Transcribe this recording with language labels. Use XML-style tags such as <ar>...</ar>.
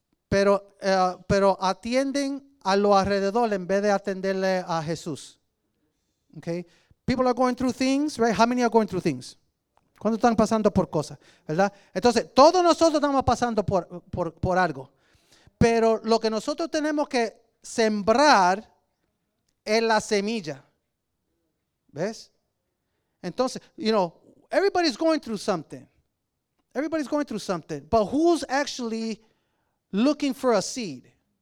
<es>pero atienden a lo alrededor en vez de atenderle a Jesús. Okay.</es> <en>People are going through things, right? How many are going through things?</en> <es>¿Cuándo están pasando por cosas, verdad? Entonces, todos nosotros estamos pasando por algo. Pero lo que nosotros tenemos que sembrar es la semilla. ¿Ves?</es> <en>Entonces, you know, everybody's going through something. Everybody's going through something. But who's actually looking for a seed?</en>